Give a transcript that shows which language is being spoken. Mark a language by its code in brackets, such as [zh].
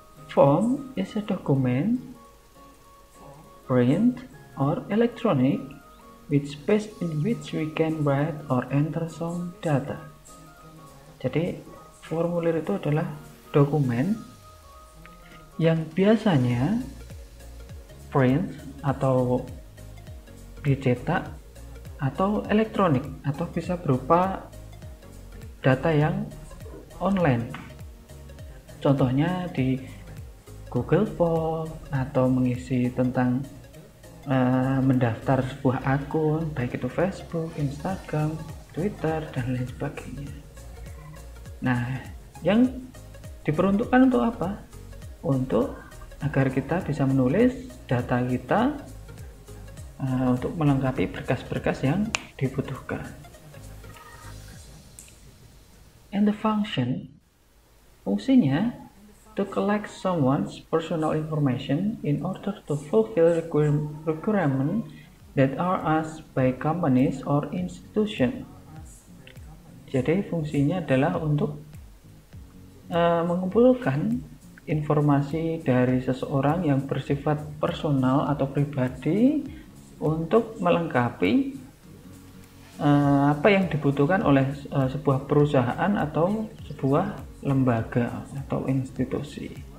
[en] Form is a document, print or electronic, with space in which we can write or enter some data. [id] Jadi formulir itu adalah dokumen yang biasanya print atau dicetak atau elektronik atau bisa berupa data yang online. Contohnya di Google Form atau mengisi tentang mendaftar sebuah akun, baik itu Facebook, Instagram, Twitter, dan lain sebagainya. Nah, yang diperuntukkan untuk apa? Untuk agar kita bisa menulis data kita untuk melengkapi berkas-berkas yang dibutuhkan. [en] And the function, [id] fungsinya [en] to collect someone's personal information in order to fulfill requirement that are asked by companies or institution. [id] Jadi fungsinya adalah untuk mengumpulkan informasi dari seseorang yang bersifat personal atau pribadi untuk melengkapi apa yang dibutuhkan oleh sebuah perusahaan atau sebuah lembaga atau institusi.